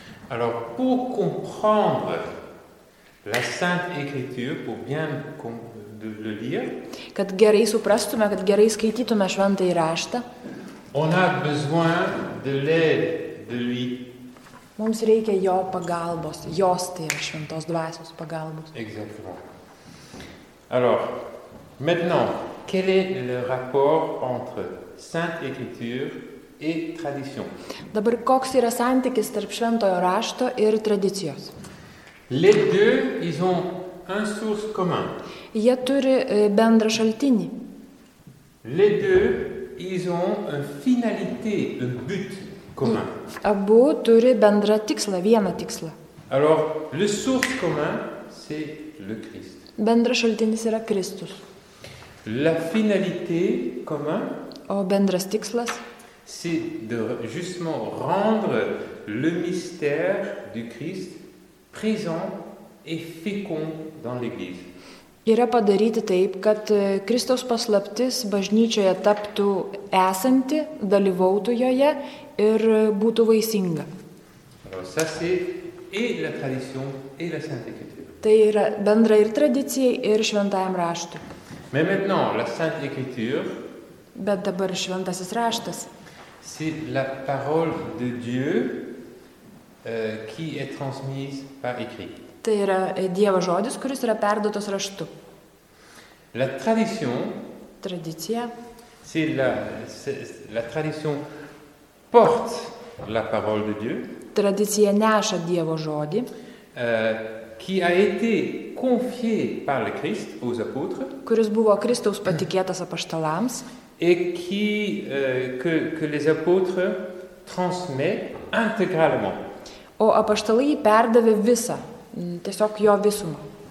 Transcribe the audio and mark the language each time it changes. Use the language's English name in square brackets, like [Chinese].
[French] Alors, pour comprendre la Sainte Écriture, pour bien le lire, [Lithuanian] kad gerai suprastume, kad gerai skaitytume šventąjį raštą, [French] on a besoin de l'aide de lui. [Lithuanian] Mums reikia jo pagalbos, jos tai yra šventos dvasios pagalbos. [French] Exactement. Alors, maintenant, quel est le rapport entre Sainte Écriture et tradition? [Lithuanian] Dabar koks yra santykis tarp šventojo rašto ir tradicijos? [French] Les deux, ils ont un source commun. [Lithuanian] Jie turi bendrą šaltinį. [French] Les deux, ils ont une finalité, un but. Commun. [Lithuanian] Abu turi bendrą tikslą, vieną tikslą. [French] Alors, le source commun, c'est le Christ. [Lithuanian] Bendras šaltinis yra Kristus. [French] La finalité commun, [Lithuanian] o bendras tikslas, [French] c'est de justement rendre le mystère du Christ présent et fécond dans l'Église. [Lithuanian] Yra padaryti taip, kad Kristaus paslaptis bažnyčioje taptų esanti, dalyvautų joje ir būtų vaisinga. [French] Alors, ça c'est et la tradition et la Sainte Écriture. [Lithuanian] Tai yra bendra ir tradicija, ir šventajam raštu. [French] Mais maintenant, la Sainte Écriture, [Lithuanian] bet dabar šventasis raštas, [French] c'est la parole de Dieu qui est transmise par écrit. [Lithuanian] Tai yra Dievo žodis, kuris yra perduotas raštu. [French] La tradition, [Lithuanian] tradicija, [French] c'est la tradition porte la parole de Dieu. [Lithuanian] Tradicija neša Dievo žodį, [French] qui a été confié par le Christ aux apôtres, [Lithuanian] kuris buvo Kristaus patikėtas apaštalams, [French] et qui que les apôtres transmet intégralement. [Lithuanian] O apaštalai perdavė visą, tiesiog jo visumą.